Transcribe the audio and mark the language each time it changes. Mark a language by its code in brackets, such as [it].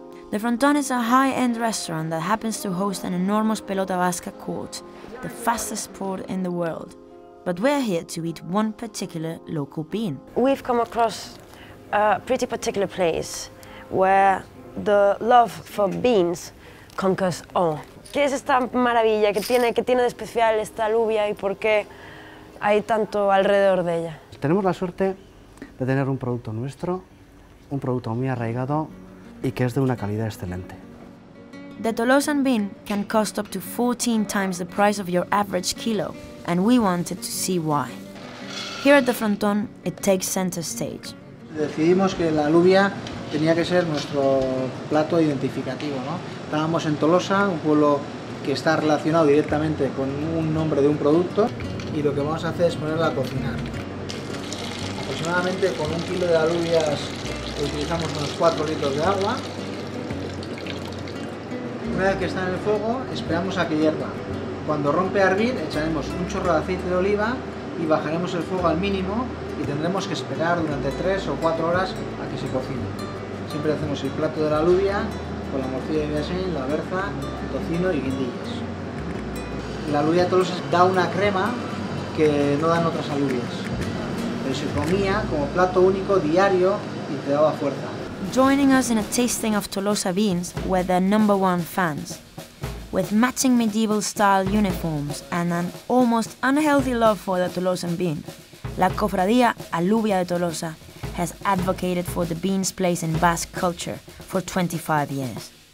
[en] The Frontón is a high-end restaurant that happens to host an enormous pelota vasca court, the fastest sport in the world. But we're here to eat one particular local bean. We've come across a pretty particular place where the love for beans conquers all. [es] ¿Qué es esta maravilla? ¿Qué tiene de especial esta alubia y por qué hay tanto alrededor de ella? Tenemos la suerte de tener un producto nuestro, un producto muy arraigado y que es de una calidad excelente. [en] The Tolosan bean can cost up to 14 times the price of your average kilo, and we wanted to see why. Here at the Frontón, it takes center stage. [es] Decidimos que la alubia tenía que ser nuestro plato identificativo, ¿no? Estábamos en Tolosa, un pueblo que está relacionado directamente con un nombre de un producto, y lo que vamos a hacer es ponerla a cocinar. Aproximadamente con un kilo de alubias utilizamos unos 4 litros de agua. Una vez que está en el fuego, esperamos a que hierva. Cuando rompe a hervir, echaremos un chorro de aceite de oliva y bajaremos el fuego al mínimo y tendremos que esperar durante 3 o 4 horas a que se cocine. Siempre hacemos el plato de la alubia con la morcilla de Ibiasen, la berza, el tocino y guindillas. La alubia de Tolosa da una crema que no dan otras alubias. Se comía como plato único diario y te daba fuerza. [en] Joining us in a tasting of Tolosa beans were their number one fans. With matching medieval style uniforms and an almost unhealthy love for the Tolosan bean, la Cofradia Alubia de Tolosa has advocated for the bean's place in Basque culture for 25 years.